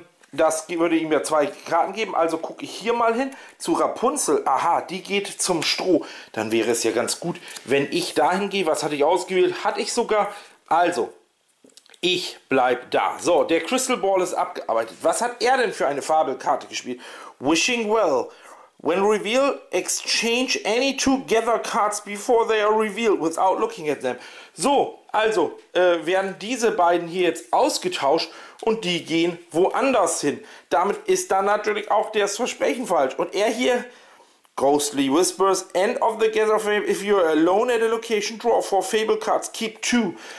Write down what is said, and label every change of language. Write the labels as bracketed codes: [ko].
[de] Das würde ihm ja 2 Karten geben, also gucke ich hier mal hin zu Rapunzel. Aha, die geht zum Stroh. Dann wäre es ja ganz gut, wenn ich dahin gehe. Was hatte ich ausgewählt? Hatte ich sogar. Also, ich bleibe da. So, der Crystal Ball ist abgearbeitet. Was hat er denn für eine Fabelkarte gespielt? Wishing Well. [en] When reveal, exchange any together cards before they are revealed without looking at them. [de] So, also werden diese beiden hier jetzt ausgetauscht und die gehen woanders hin. Damit ist dann natürlich auch das Versprechen falsch. Und er hier, Ghostly Whispers, [en] end of the gather frame. If you are alone at a location, draw four fable cards, keep two.